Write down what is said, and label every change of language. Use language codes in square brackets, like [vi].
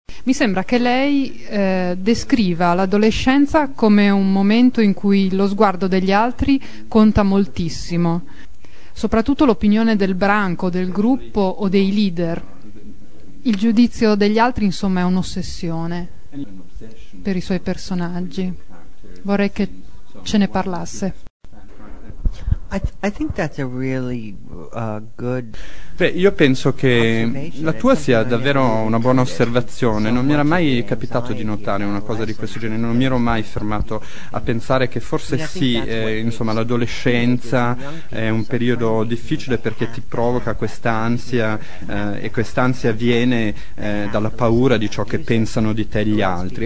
[it] Mi sembra che lei descriva l'adolescenza come un momento in cui lo sguardo degli altri conta moltissimo, soprattutto l'opinione del branco, del gruppo o dei leader. Il giudizio degli altri, insomma, è un'ossessione per i suoi personaggi. Vorrei che ce ne parlasse. [en] I think that's a really good. [it] Beh, io penso che la tua sia davvero una buona osservazione. Non mi era mai capitato di notare una cosa di questo genere, non mi ero mai fermato a pensare che forse sì, insomma, l'adolescenza è un periodo difficile perché ti provoca questa ansia, e quest'ansia viene dalla paura di ciò che pensano di te gli altri.